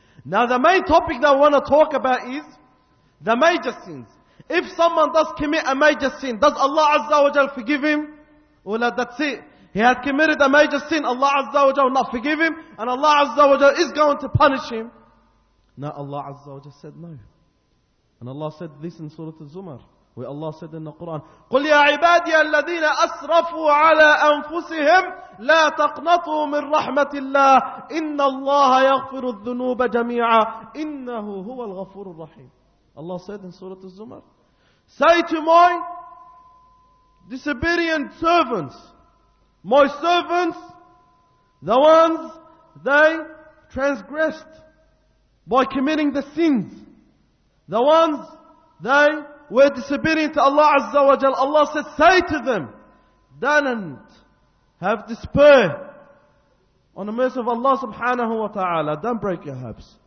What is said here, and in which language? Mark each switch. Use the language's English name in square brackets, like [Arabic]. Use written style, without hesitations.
[English] Now the main topic that we want to talk about is the major sins. If someone does commit a major sin, does Allah azza wa jal forgive him? Ula, that's it. He had committed a major sin, Allah azza wa jal will not forgive him, and Allah azza wa jal is going to punish him. Now Allah Azza wa Jalla said no. And Allah said this in Surah Al-Zumar, where Allah said in the Quran, [Arabic] قُلْ يَا عِبَادِيَا الَّذِينَ أَسْرَفُوا عَلَىٰ أَنفُسِهِمْ لَا تَقْنَطُوا مِنْ رَحْمَةِ اللَّهِ إِنَّ اللَّهَ يَغْفِرُ الذُّنُوبَ جَمِيعًا إِنَّهُ هُوَ الْغَفُورُ الرَّحِيمُ. [English] Allah said in Surah Al-Zumar, say to my disobedient servants, my servants, the ones they transgressed by committing the sins, the ones they were disobedient to Allah Azza wa Jal, Allah said, say to them, don't have despair on the mercy of Allah subhanahu wa ta'ala. Don't break your hopes.